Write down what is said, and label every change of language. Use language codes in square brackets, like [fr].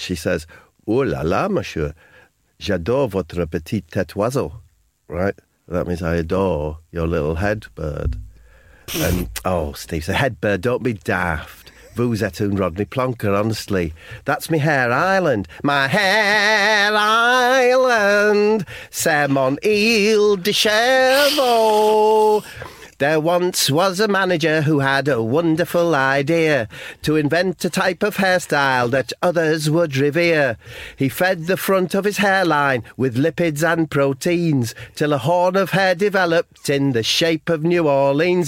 [en] She says, [fr] oh la la, monsieur, j'adore votre petite tête oiseau. [en] Right? That means I adore your little head bird. And oh, Steve's a head bird, don't be daft. [fr] Vous êtes un Rodney Plonker, [en] honestly. That's me hair island. My hair island, [fr] c'est mon île de cheveux. [en] There once was a manager who had a wonderful idea to invent a type of hairstyle that others would revere. He fed the front of his hairline with lipids and proteins till a horn of hair developed in the shape of New Orleans.